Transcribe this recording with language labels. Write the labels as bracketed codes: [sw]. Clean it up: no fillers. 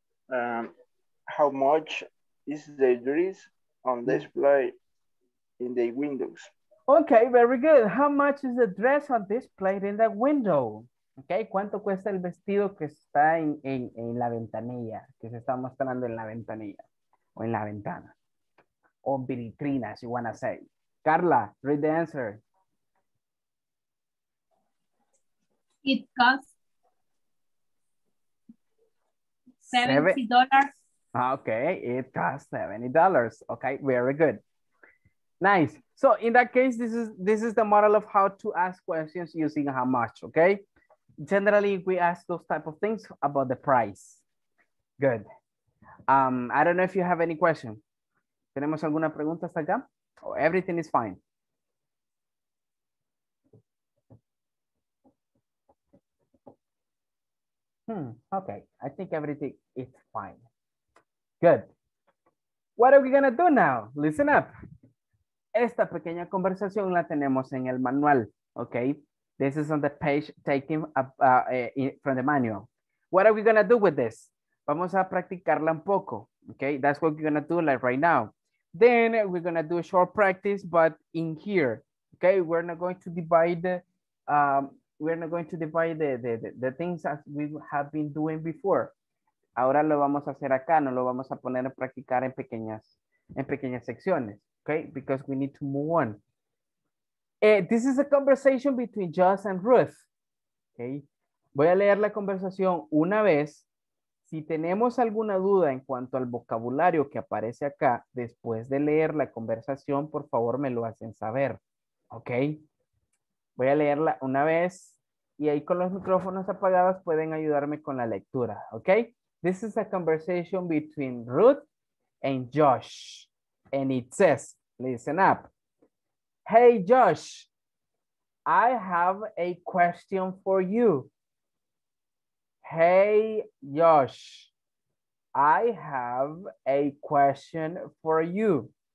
[en] How much is the grease on display in the windows? Okay, very good. How much is the dress on display in the window? [es] Okay, ¿cuánto cuesta el vestido que está en la ventanilla? Que se está mostrando en la ventanilla. O en la ventana. O vitrina, [en] as you want to say. Carla, read the answer. It costs $70. Okay, it costs $70. Okay, very good. Nice. So in that case, this is the model of how to ask questions using how much, okay? Generally, we ask those type of things about the price. Good. I don't know if you have any question. [es] ¿Tenemos alguna pregunta hasta acá? [en] Oh, everything is fine. Okay, I think everything is fine. Good. What are we gonna do now? Listen up. [es] Esta pequeña conversación la tenemos en el manual, okay? [en] This is on the page taken from the manual. What are we gonna do with this? [es] Vamos a practicarla un poco, [en] okay? That's what we're gonna do like right now. Then we're gonna do a short practice, but in here, okay? We're not going to divide the things as we have been doing before. [es] Ahora lo vamos a hacer acá, no lo vamos a poner a practicar en pequeñas secciones, okay? [en] Because we need to move on. This is a conversation between Joss and Ruth, okay? [es] Voy a leer la conversación una vez. Si tenemos alguna duda en cuanto al vocabulario que aparece acá, después de leer la conversación, por favor, me lo hacen saber, ¿ok? Voy a leerla una vez y ahí con los micrófonos apagados pueden ayudarme con la lectura, ¿ok? [en] This is a conversation between Ruth and Josh. And it says, listen up. Hey, Josh, I have a question for you. Hey, Josh, I have a question for you.